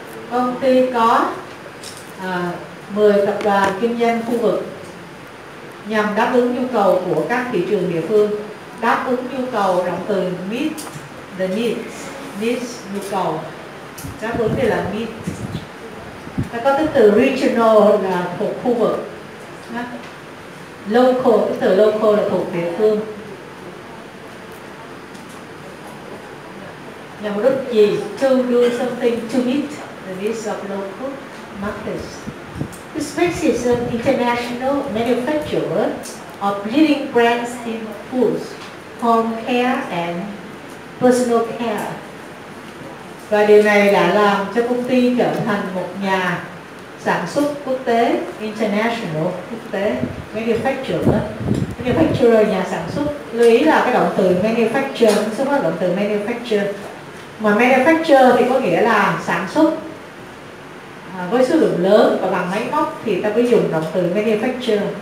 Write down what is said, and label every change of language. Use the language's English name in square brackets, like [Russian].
[Vietnamese] Công ty có 10 tập đoàn kinh doanh khu vực nhằm đáp ứng nhu cầu của các thị trường địa phương, đáp ứng nhu cầu động từ [English] meet the needs [Vietnamese] nhu cầu, đáp ứng thì là meet. Ta có cái từ regional là thuộc khu vực, local cái từ local là thuộc địa phương. Nhằm mục đích gì? [English] To do something to meet the needs of local markets. This place is an international manufacturer of leading brands in foods, home care and personal care. [Vietnamese] Và điều này đã làm cho công ty trở thành một nhà sản xuất quốc tế, international, quốc tế, manufacturer. Manufacturer, nhà sản xuất. Lưu ý là cái động từ manufacture, số phát động từ manufacture. Mà manufacture thì có nghĩa là sản xuất. Với số lượng lớn và bằng máy móc thì ta mới dùng động từ manufacture.